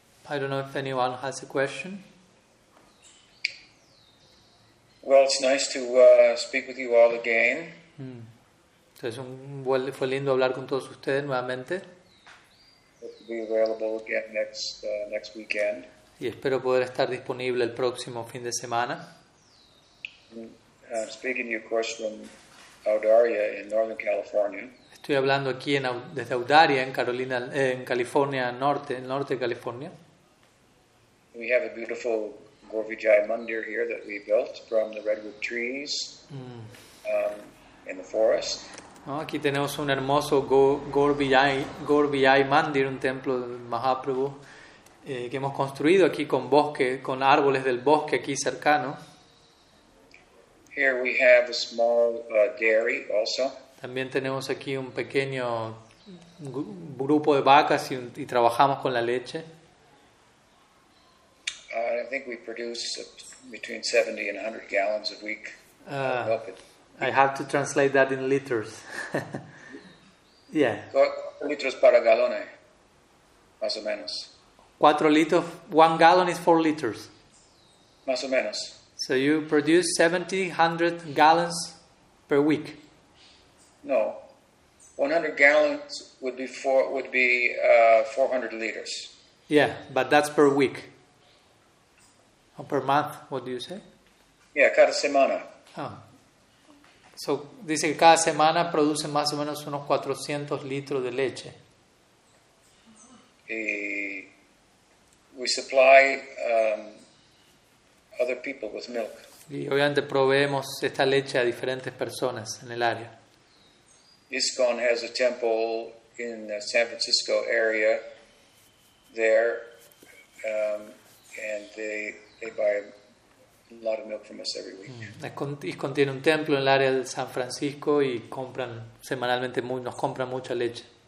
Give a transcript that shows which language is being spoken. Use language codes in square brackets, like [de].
[en] I don't know if anyone has a question. Well, it's nice to speak with you all again. [es] Entonces fue lindo hablar con todos ustedes nuevamente. [en] Hope to be available again next weekend. [es] Y espero poder estar disponible el próximo fin de semana. [en] Speaking of course from Audaria in Northern California. [es] Estoy hablando aquí desde Audaria en California Norte, en el norte de California. [en] We have a beautiful Govijaya Mandir here that we built from the redwood trees in the forest. [es] ¿No? Aquí tenemos un hermoso Govijaya Mandir, un templo de Mahaprabhu. Que hemos construido aquí con árboles del bosque aquí cercano. [en] Here we have a small dairy also. [es] También tenemos aquí un pequeño grupo de vacas y trabajamos con la leche. [en] I think we produce between 70 and 100 gallons a week. I have to translate that in liters. Yeah. [es] Litros para galones, más o menos. [en] 4 liters, 1 gallon is 4 liters. [es] Más o menos. [en] So you produce 70-100 gallons per week. No, 100 gallons would be 400 liters. Yeah, but that's per week. Or per month, what do you say? [es] Yeah, cada semana. [en] Oh, [es] So, dice que cada semana produce más o menos unos 400 litros de leche. [en] We supply other people with milk. [es] Y obviamente proveemos esta leche a diferentes personas en el área. [en] ISKCON has a temple in the San Francisco area there, and they buy a lot of milk from us every week. [es] ISKCON tiene un templo en el área de San Francisco y compran semanalmente nos compran mucha leche.